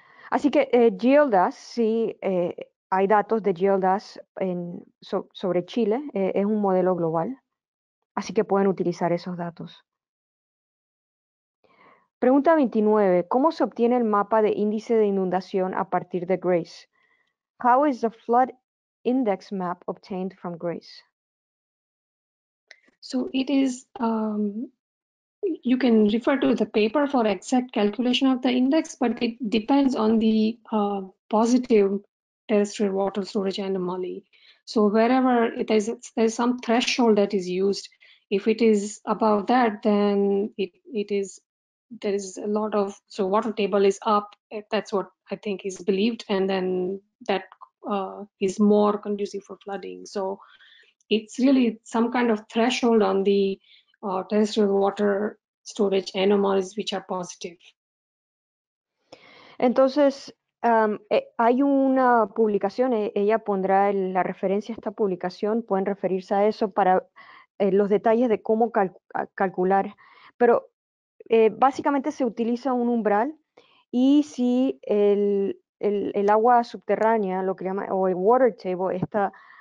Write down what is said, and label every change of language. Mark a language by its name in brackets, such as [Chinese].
[Spanish] Así que GLDAS, sí, hay datos de GLDAS sobre Chile, es un modelo global. Así que pueden utilizar esos datos. Pregunta 29. ¿Cómo se obtiene el mapa de índice de inundación a partir de GRACE? [English] How is the flood index map obtained from GRACE? So it is, you can refer to the paper for exact calculation of the index, but it depends on the positive terrestrial water storage anomaly. So wherever it is, there's some threshold that is used. If it is above that, then there is a lot of, so water table is up, that's what I think is believed, and then that is more conducive for flooding. So it's really some kind of threshold on the terrestrial water storage anomalies which are positive. [Spanish] Entonces, hay una publicación, ella pondrá la referencia a esta publicación, pueden referirse a eso para los detalles de cómo calcular, pero básicamente se utiliza un umbral y si el agua subterránea, lo que llaman, o el water table, está